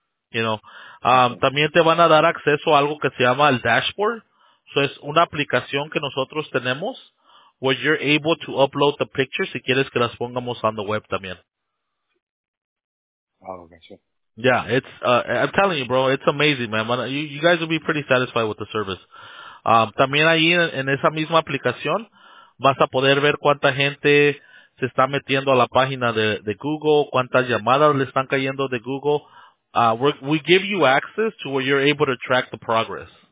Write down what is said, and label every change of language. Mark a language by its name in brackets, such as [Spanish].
[English] You know, [Spanish] también te van a dar acceso a algo que se llama el dashboard. So es una aplicación que nosotros tenemos [English] where you're able to upload the pictures [Spanish] si quieres que las pongamos [English] on the web [Spanish] también. [English] Oh, gotcha. Yeah, it's, I'm telling you, bro, it's amazing, man. You guys will be pretty satisfied with the service. [Spanish] También ahí en esa misma aplicación vas a poder ver cuánta gente se está metiendo a la página de Google, cuántas llamadas le están cayendo de Google. [English] We give you access to where you're able to track the progress.